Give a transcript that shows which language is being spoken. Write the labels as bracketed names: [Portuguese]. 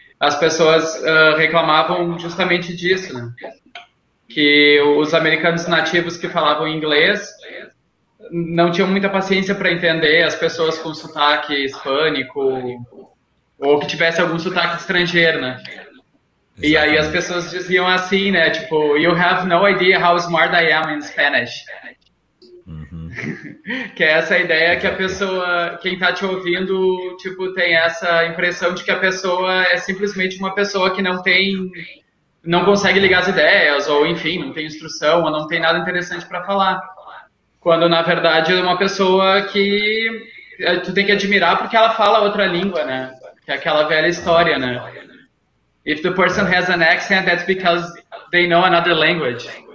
[Portuguese] As pessoas reclamavam justamente disso, né? Que os americanos nativos que falavam inglês não tinham muita paciência para entender as pessoas com sotaque hispânico ou que tivesse algum sotaque estrangeiro, né? Exatamente. E aí as pessoas diziam assim, né? [English] Tipo, you have no idea how smart I am in Spanish. Uhum. [Portuguese] Que é essa ideia que a pessoa, quem tá te ouvindo, tipo, tem essa impressão de que a pessoa é simplesmente uma pessoa que não tem, não consegue ligar as ideias, ou enfim, não tem instrução, ou não tem nada interessante para falar. Quando, na verdade, é uma pessoa que tu tem que admirar porque ela fala outra língua, né? Que é aquela velha história, né? [English] If the person has an accent, that's because they know another language.